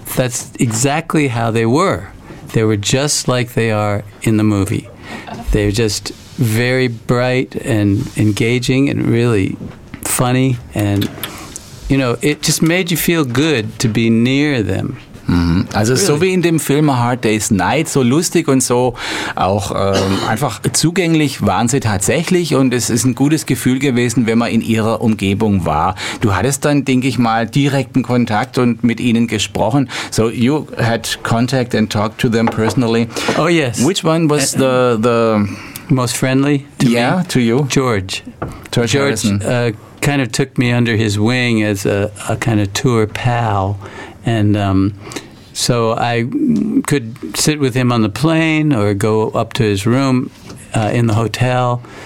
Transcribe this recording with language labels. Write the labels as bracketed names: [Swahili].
[English] That's exactly how they were. They were just like they are in the movie. They were just very bright and engaging and really funny, and you know, it just made you feel good to be near them. [German] Also really? So wie in dem Film A Hard Day's Night, so lustig und so auch einfach zugänglich waren sie tatsächlich, und es ist ein gutes Gefühl gewesen, wenn man in ihrer Umgebung war. Du hattest dann, denke ich mal, direkten Kontakt und mit ihnen gesprochen. [English] So you had contact and talked to them personally. Oh yes. Which one was the most friendly to yeah, me? Yeah, to you. George. George, George kind of took me under his wing as a kind of tour pal. And so I could sit with him on the plane or go up to his room in the hotel.